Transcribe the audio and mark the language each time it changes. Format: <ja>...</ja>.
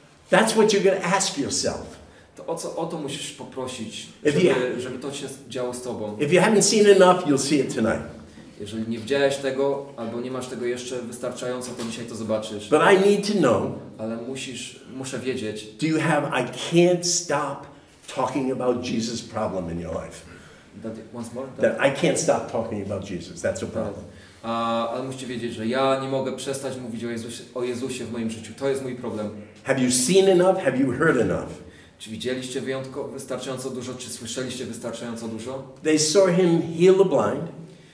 <en>That's what you're going to ask yourself.</en> <pl>To o to musisz poprosić, żeby to się działo z tobą.</pl> <en>If you haven't seen enough, you'll see it tonight.</en> <pl>Jeżeli nie widziałeś tego, albo nie masz tego jeszcze wystarczająco, to dzisiaj to zobaczysz.</pl> <en>But I need to know.</en> <pl>Ale muszę wiedzieć.</pl> <en>Do you have I can't stop talking about Jesus problem in your life? That once more. That I can't stop talking about Jesus. That's a problem.</en> <pl>Ale musicie wiedzieć, że ja nie mogę przestać mówić o Jezusie w moim życiu. To jest mój problem.</pl> <en>Have you seen enough? Have you heard enough?</en> <pl>Czy widzieliście wystarczająco dużo? Czy słyszeliście wystarczająco dużo?</pl> <en>They saw him heal the blind.</en>